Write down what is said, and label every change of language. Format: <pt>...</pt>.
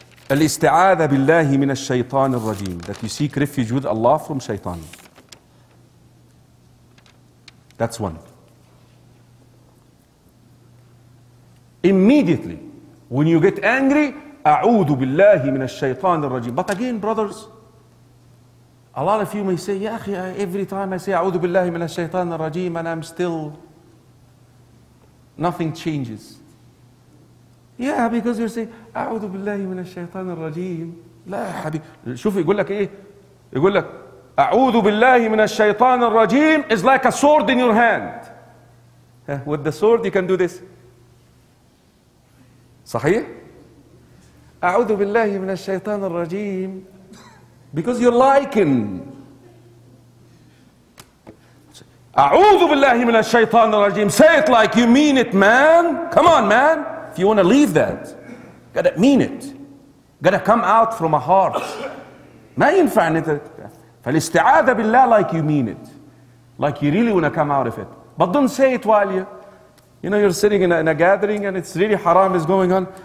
<ar>الاستعاذة بالله من الشيطان الرجيم.</ar> <en>That you seek refuge with Allah from Shaitan. That's one. Immediately, when you get angry,</en> <ar>أعوذ بالله من الشيطان الرجيم.</ar> <en>But again, brothers, a lot of you may say,</en> <ar>يا أخي,</ar> <en>every time I say</en> <ar>أعوذ بالله من الشيطان الرجيم,</ar> <en>and I'm still, nothing changes. Yeah, because you say,</en> <ar>أعوذ بالله من الشيطان الرجيم. لا يا حبيبي. شوف يقول لك إيه؟ يقول لك أعوذ بالله من الشيطان الرجيم</ar> <en>is like a sword in your hand. With the sword you can do this.</en> <ar>صحيح؟ أعوذ بالله من الشيطان الرجيم</ar> <en>because you're liking.</en> <ar>أعوذ بالله من الشيطان الرجيم.</ar> <en>Say it like you mean it, man. Come on, man. If you want to leave that, gotta mean it. Gotta come out from a heart.</en> <ar>ما ينفع نترك. فالاستعاذة بالله</ar> <en>like you mean it. Like you really want to come out of it. But don't say it while you know, you're sitting in a gathering and it's really haram is going on.</en>